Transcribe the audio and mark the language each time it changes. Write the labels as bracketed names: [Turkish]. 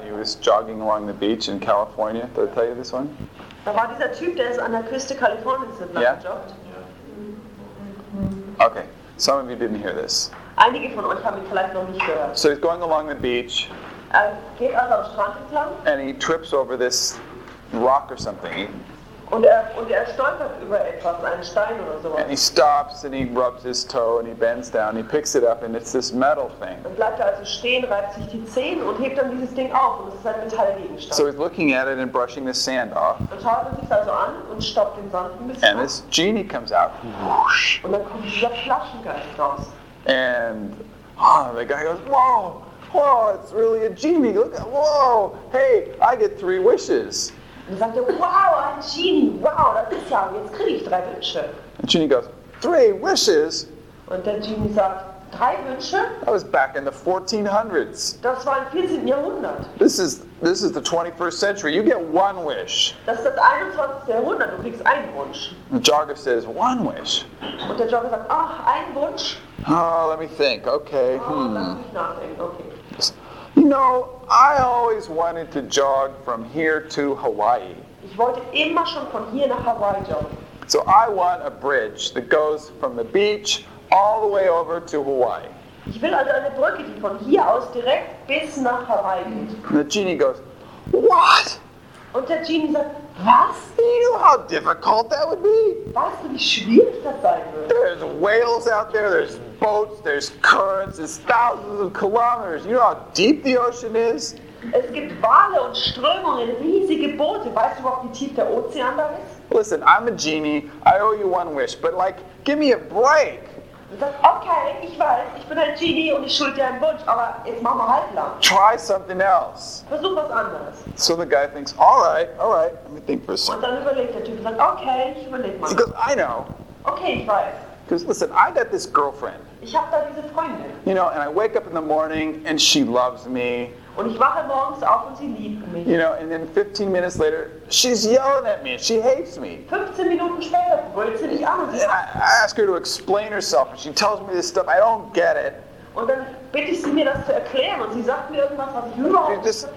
[English] He was jogging along the beach in California. Did I tell you this one? [German] Da war dieser Typ, der ist an der Küste Kaliforniens entlang gejoggt. [English] Okay. Some of you didn't hear this. [German] Einige von euch haben ihn vielleicht noch nicht gehört. [English] So he's going along the beach. [German] Geht also am Strand entlang. [English] And he trips over this rock or something. [German] Und er stolpert über etwas, einen Stein oder sowas. [English] And he stops and he rubs his toe and he bends down. He picks it up and it's this metal thing. [German] Und bleibt er also stehen, reibt sich die Zehen und hebt dann dieses Ding auf. Und es ist ein Metallgegenstand. [English] So he's looking at it and brushing the sand off. [German] Und schaut er sich also an und stoppt den Sand ein bisschen. [English] And this genie comes out. Whoosh. [German] Und dann kommt dieser Flaschengeist raus. [English] And the guy goes, whoa, it's really a genie. Look at, whoa, hey, I get 3 wishes. [German] Und sagt er, wow, ein Genie, wow, das ist ja, jetzt kriege ich 3 Wünsche. [English] And Genie goes, 3 wishes? [German] Und der Genie sagt, 3 Wünsche? [English] That was back in the 1400s. [German] Das war im 14. Jahrhundert. [English] This is the 21st century, you get 1 wish. [German] Das ist das 21. Jahrhundert, du kriegst einen Wunsch. [English] The Jogger says, 1 wish? [German] Und der Jogger sagt, ach, ein Wunsch? [English] Oh, let me think, okay. [German] Oh, lass mich nachdenken, okay. [English] You know, I always wanted to jog from here to Hawaii. [German] Ich wollte immer schon von hier nach Hawaii joggen. [English] So I want a bridge that goes from the beach all the way over to Hawaii. [German] Ich will also eine Brücke, die von hier aus direkt bis nach Hawaii geht. [English] And the genie goes, what? [German] Und der Genie sagt, was? [English] You know how difficult that would be? [German] Weißt du, wie schwierig das sein würde? [English] There's whales out there, there's boats, there's currents, it's thousands of kilometers. You know how deep the ocean is? [German] Es gibt Wale und Strömungen, riesige Boote. Weißt du, wie tief der Ozean da ist? [English] Listen, I'm a genie, I owe you 1 wish, but like, give me a break. [German] Und sagt, okay, ich weiß, ich bin ein Genie und ich schulde dir einen Wunsch, aber jetzt machen wir halt lang. [English] Try something else. [German] Versuch was anderes. [English] So the guy thinks, all right, let me think for a second. [German] Und dann überlegt der Typ und sagt, okay, ich überleg mal. [English] He goes, I know. [German] Okay, ich weiß. [English] Because listen, I got this girlfriend. [German] Ich hab da diese Freundin. [English] You know, and I wake up in the morning and she loves me. [German] Und ich wache morgens auf und sie liebt mich. [English] You know, and then 15 minutes later, she's yelling at me and she hates me. [German] 15 Minuten später brüllt sie mich an. [English] I ask her to explain herself and she tells me this stuff. I don't get it. [German] Und dann bitte ich sie mir das zu erklären und sie sagt mir irgendwas, was ich überhaupt nicht verstehe.